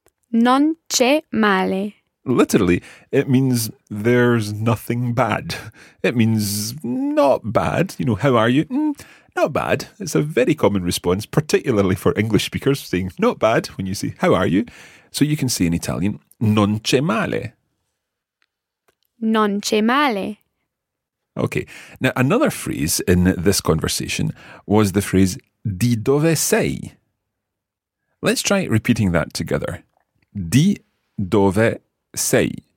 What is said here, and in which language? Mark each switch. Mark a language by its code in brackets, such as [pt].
[it] Non c'è male. [en] Literally, it means there's nothing bad. It means not bad. You know, how are you? Not bad. It's a very common response, particularly for English speakers, saying not bad when you say how are you. So you can say in Italian, [it] non c'è male. Non c'è male. [en] Okay. Now, another phrase in this conversation was the phrase, [it] di dove sei? [en] Let's try repeating that together. [it] Di dove sei.